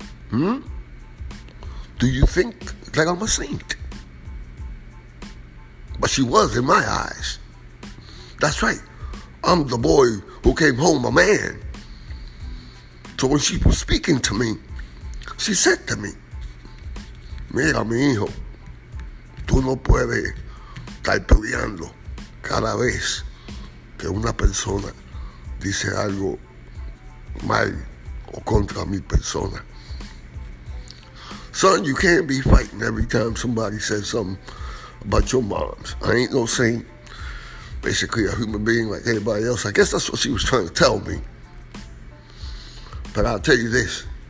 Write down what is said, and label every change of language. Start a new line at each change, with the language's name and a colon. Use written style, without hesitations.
English: Do you think that I'm a saint?" But she was in my eyes. That's right. I'm the boy who came home a man. So when she was speaking to me, She said to me,
Spanish: mira, mi hijo, tú no puedes estar peleando cada vez que una persona dice algo mal o contra mi persona.
English: Son, you can't be fighting every time somebody says something about your moms. I ain't no saint, basically a human being like anybody else. I guess that's what she was trying to tell me. But I'll tell you this.